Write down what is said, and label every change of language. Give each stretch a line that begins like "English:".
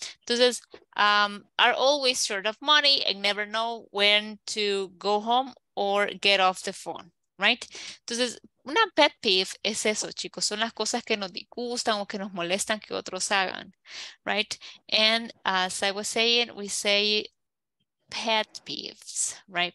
English: Entonces, are always short of money and never know when to go home or get off the phone, right?
Spanish: Entonces, una pet peeve es eso, chicos. Son las cosas que nos disgustan o que nos molestan que otros hagan, right?
English: And as I was saying, we say pet peeves, right?